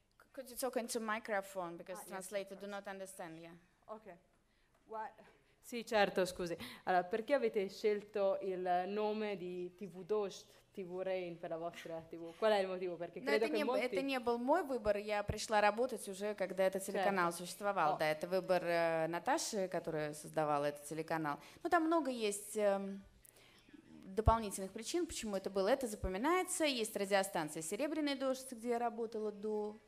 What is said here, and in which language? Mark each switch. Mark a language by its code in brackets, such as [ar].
[en] Could you talk into microphone, because translator do not understand, yeah. [it] Ok, sì, certo, scusi. Allora, perché avete scelto il nome di TV Дождь, TV Rain per la vostra TV? Qual è il motivo? Perché credo che molti... [ru] Это не был мой выбор, я пришла работать уже, когда этот телеканал существовал. Да, это выбор Наташи, которая создавала этот телеканал. Ну, там много есть дополнительных причин, почему это было. Это запоминается. Есть радиостанция «Серебряный дождь», где я работала до...